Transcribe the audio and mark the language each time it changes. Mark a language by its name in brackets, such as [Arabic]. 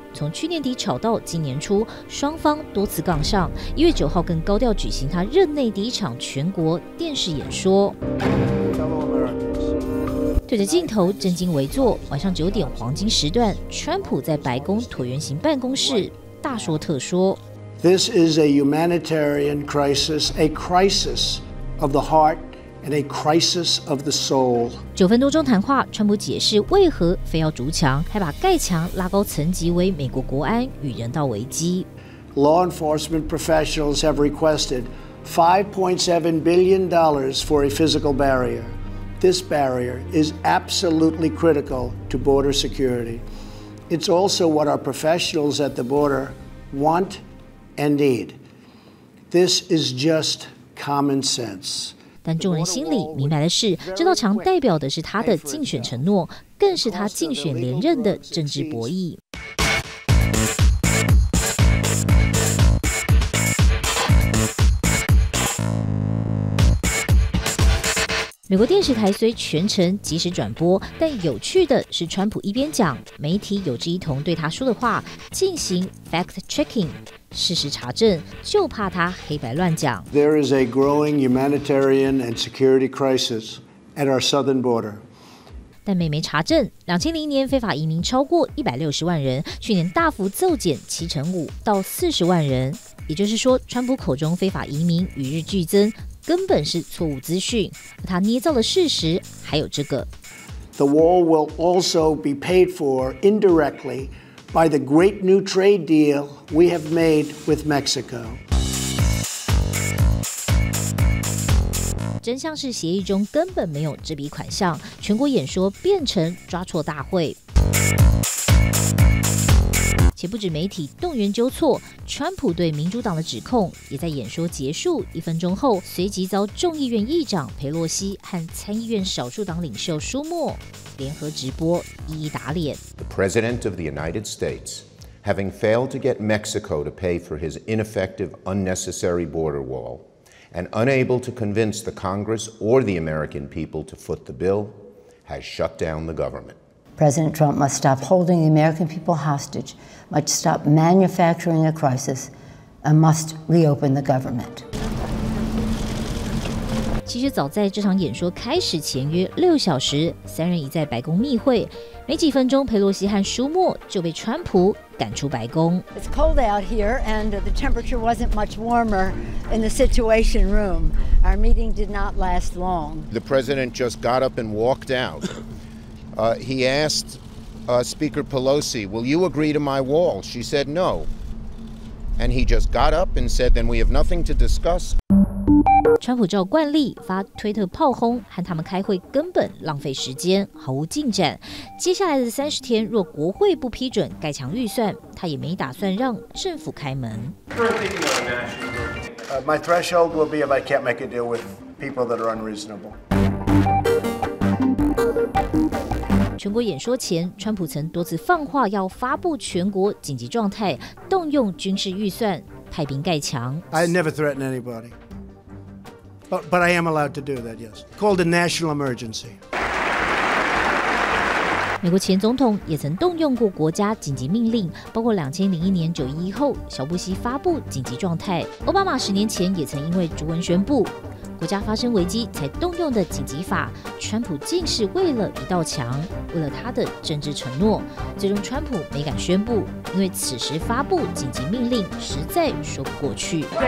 [Chinese] 从去年底吵到今年初，双方多次杠上，1月9号更高调举行他任内第一场全国电视演说，对着镜头正襟危坐。晚上9点黄金时段，川普在白宫椭圆形办公室大说特说， [English] This is a humanitarian crisis, a crisis of the heart and a crisis of the soul. [Chinese] 9分多钟谈话，川普解释为何非要筑墙，还把盖墙拉高层级为美国国安与人道危机。 [English] Law enforcement professionals have requested $5.7 billion for a physical barrier. This barrier is absolutely critical to border security. It's also what our professionals at the border want. Indeed, this is just common sense. [Chinese] 但众人心里明白的是，这道墙代表的是他的竞选承诺，更是他竞选连任的政治博弈。美国电视台虽全程及时转播，但有趣的是川普一边讲，媒体有志一同对他说的话进行 fact checking 事实查证，就怕他黑白乱讲。 [English] There is a growing humanitarian and security crisis at our southern border. [Chinese] 但每每查证，2000年非法移民超过160万人，去年大幅骤减75%到40万人，也就是说川普口中非法移民与日俱增根本是错误资讯，而他捏造的事实还有这个。 [English] The wall will also be paid for indirectly by the great new trade deal we have made with Mexico. [Chinese] 真相是协议中根本没有这笔款项，全国演说变成抓错大会。且不止媒体动员纠错，川普对民主党的指控也在演说结束一分钟后，随即遭众议院议长佩洛西和参议院少数党领袖舒默联合直播一一打脸。 [English] The President of the United States, having failed to get Mexico to pay for his ineffective, unnecessary border wall, and unable to convince the Congress or the American people to foot the bill, has shut down the government. President Trump must stop holding the American people hostage, must stop manufacturing a crisis, and must reopen the government. [Chinese] 其实早在这场演说开始前约六小时，三人已在白宫密会。没几分钟，佩洛西和舒默就被川普赶出白宫。 [English] It's cold out here, and the temperature wasn't much warmer in the Situation Room. Our meeting did not last long. The president just got up and walked out. He asked Speaker Pelosi, will you agree to my wall? She said no. And he just got up and said, then we have nothing to discuss. [Chinese] 川普照惯例发推特炮轰，和他们开会根本浪费时间，毫无进展。接下来的三十天，若国会不批准盖墙预算，他也没打算让政府开门。 [English] My threshold will be if I can't make a deal with people that are unreasonable. [Chinese] 全国演说前，川普曾多次放话要发布全国紧急状态，动用军事预算派兵盖墙。 [English] I never threaten anybody, but I am allowed to do that. Yes, called a national emergency. [Chinese] 美国前总统也曾动用过国家紧急命令，包括2001年9/11后小布希发布紧急状态。奥巴马十年前也曾因为逐文宣布。国家发生危机才动用的紧急法，川普竟是为了一道墙，为了他的政治承诺，最终川普没敢宣布，因为此时发布紧急命令实在说不过去。